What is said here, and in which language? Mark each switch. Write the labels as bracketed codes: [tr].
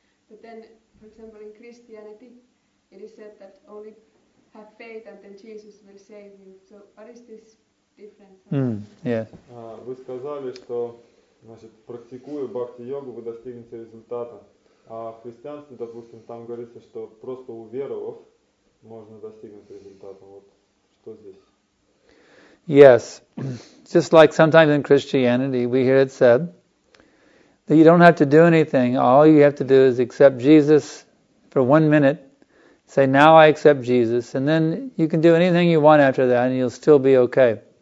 [en] But then, for example, in Christianity, it is said that only have faith and then Jesus will save you. So what is this difference? [ru] Вы сказали, что, значит, практикуя бхакти-йогу, вы достигнете результата. А в христианстве, допустим, там говорится, что просто уверовав, можно достигнуть результата. Вот что здесь? [en] Yes. Just like sometimes in Christianity, we hear it said, you don't have to do anything. All you have to do is accept Jesus for 1 minute. Say, now I accept Jesus. And then you can do anything you want after that and you'll still be okay.